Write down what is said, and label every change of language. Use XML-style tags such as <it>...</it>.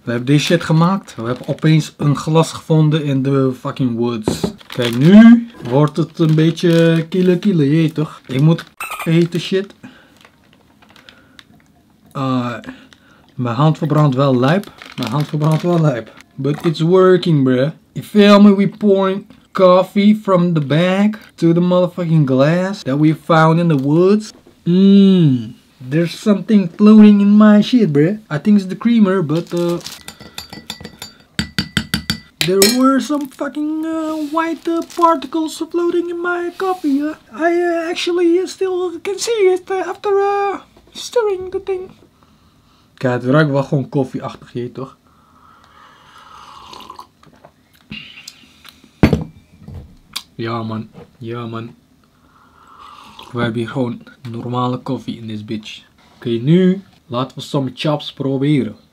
<nl>We hebben deze shit gemaakt. We hebben opeens een glas gevonden in de fucking woods. Kijk, nu wordt het een beetje kilo. Jeet toch. Ik moet eten shit. Mijn hand verbrandt wel lijp. Mijn hand verbrandt wel lijp.</nl> <en>But it's working, bruh. You feel me? We pouring coffee from the bag to the motherfucking glass that we found in the woods. There's something floating in my shit, bruh. I think it's the creamer, but there were some fucking white particles floating in my coffee. I actually still can see it after stirring the thing.</en> <nl>Kijk, het ruikt wel gewoon koffieachtig hier, toch? Ja man. We hebben hier gewoon normale koffie in deze bitch. Oké, nu laten we</nl> <en>some chops</en> <nl>proberen.</nl>